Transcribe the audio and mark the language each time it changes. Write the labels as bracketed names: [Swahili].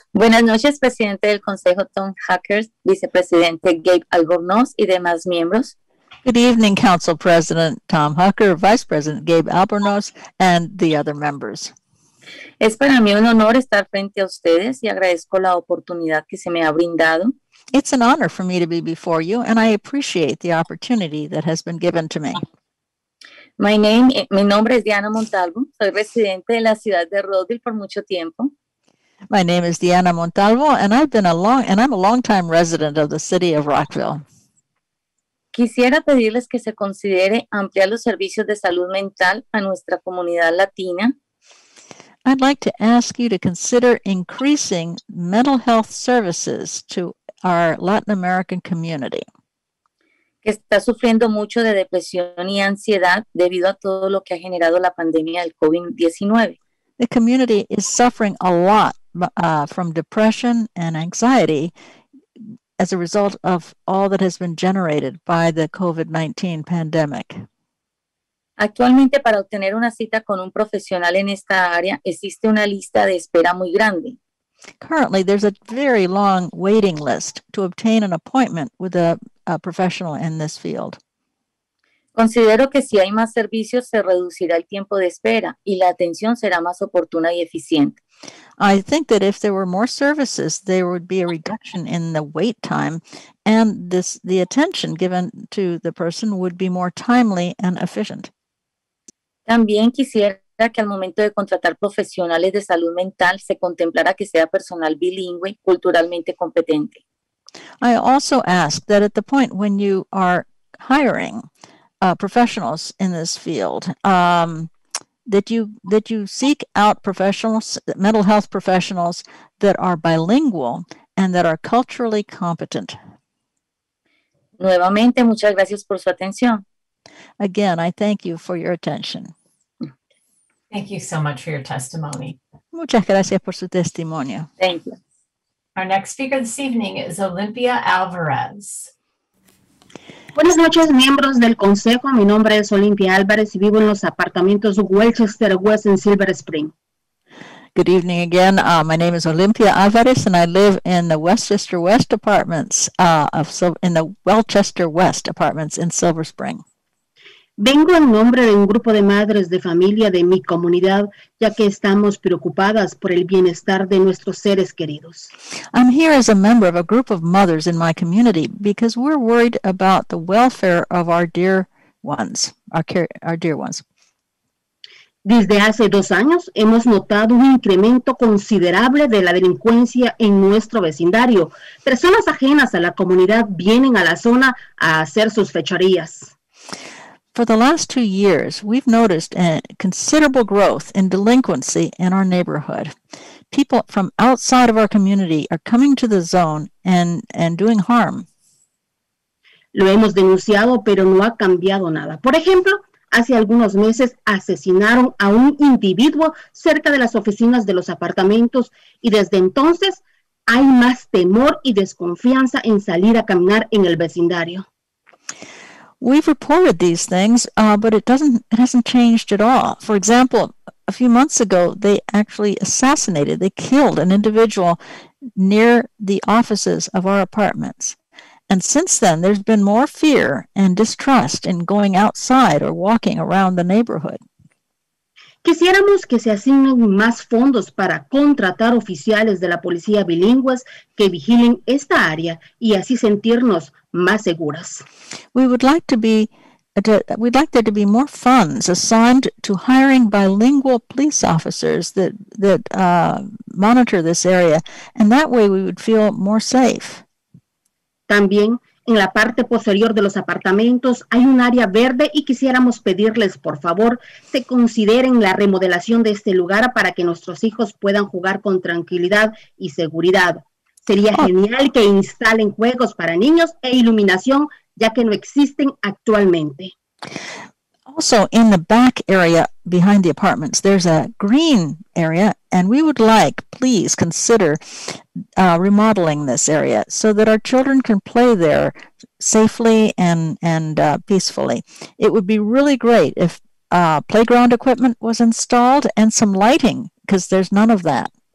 [Spanish] Buenas noches, presidente del Consejo Tom Hackers, vicepresidente Gabe Albornoz y demás miembros. [English] Good evening, Council President Tom Hucker, Vice President Gabe Albornoz, and the other members. [Spanish] Es para mí un honor estar frente a ustedes y agradezco la oportunidad que se me ha brindado. [English] It's an honor for me to be before you, and I appreciate the opportunity that has been given to me. [Spanish] Mi nombre es Diana Montalvo. Soy residente de la ciudad de Roseville por mucho tiempo. [English] My name is Diana Montalvo, and I'm a long-time resident of the city of Rockville. [Spanish] Quisiera pedirles que se considere ampliar los servicios de salud mental a nuestra comunidad latina. [English] I'd like to ask you to consider increasing mental health services to our Latin American community. [Spanish] Que está sufriendo mucho de depresión y ansiedad debido a todo lo que ha generado la pandemia del COVID-19. [English] The community is suffering a lot from depression and anxiety as a result of all that has been generated by the COVID-19 pandemic. [Spanish] Actualmente, para obtener una cita con un profesional en esta área, existe una lista de espera muy grande. [English] Currently, there's a very long waiting list to obtain an appointment with a professional in this field. [Spanish] Considero que si hay más servicios, se reducirá el tiempo de espera y la atención será más oportuna y eficiente. [English] I think that if there were more services, there would be a reduction in the wait time, and the attention given to the person would be more timely and efficient. [Spanish] También quisiera que al momento de contratar profesionales de salud mental, se contemplara que sea personal bilingüe, culturalmente competente. [English] I also ask that at the point when you are hiring professionals in this field, that you seek out professionals, mental health professionals that are bilingual and that are culturally competent. [Spanish] Nuevamente, muchas gracias por su atención. [English] Again, I thank you for your attention. Thank you so much for your testimony. [Spanish] Muchas gracias por su testimonio. [English] Thank you. Our next speaker this evening is Olympia Alvarez. [Spanish] Buenas noches, miembros del Consejo. Mi nombre es Olympia Álvarez y vivo en los apartamentos Welchester West en Silver Spring. [English] Good evening again. My name is Olympia Álvarez and I live in the Westchester West Apartments in Silver Spring. [Spanish] Vengo en nombre de un grupo de madres de familia de mi comunidad, ya que estamos preocupadas por el bienestar de nuestros seres queridos. [English] I'm here as a member of a group of mothers in my community because we're worried about the welfare of our dear ones, our dear ones. [Spanish] Desde hace 2 años hemos notado un incremento considerable de la delincuencia en nuestro vecindario. Personas ajenas a la comunidad vienen a la zona a hacer sus fechorías. [English] For the last 2 years, we've noticed a considerable growth in delinquency in our neighborhood. People from outside of our community are coming to the zone and doing harm. [Spanish] Lo hemos denunciado, pero no ha cambiado nada. Por ejemplo, hace algunos meses asesinaron a un individuo cerca de las oficinas de los apartamentos, y desde entonces hay más temor y desconfianza en salir a caminar en el vecindario. [English] We've reported these things, but it hasn't changed at all. For example, a few months ago, they killed an individual near the offices of our apartments. And since then, there's been more fear and distrust in going outside or walking around the neighborhood. [Spanish] Quisiéramos que se asignen más fondos para contratar oficiales de la policía bilingües que vigilen esta área y así sentirnos más seguras. [English] We would like to be We'd like there to be more funds assigned to hiring bilingual police officers that monitor this area, and that way we would feel more safe. [Spanish] También, en la parte posterior de los apartamentos hay un área verde y quisiéramos pedirles, por favor, que consideren la remodelación de este lugar para que nuestros hijos puedan jugar con tranquilidad y seguridad. Sería genial que instalen juegos para niños e iluminación, ya que no existen actualmente. [English] Also, in the back area behind the apartments, there's a green area, and we would like, please, consider remodeling this area so that our children can play there safely and peacefully. It would be really great if playground equipment was installed and some lighting, because there's none of that.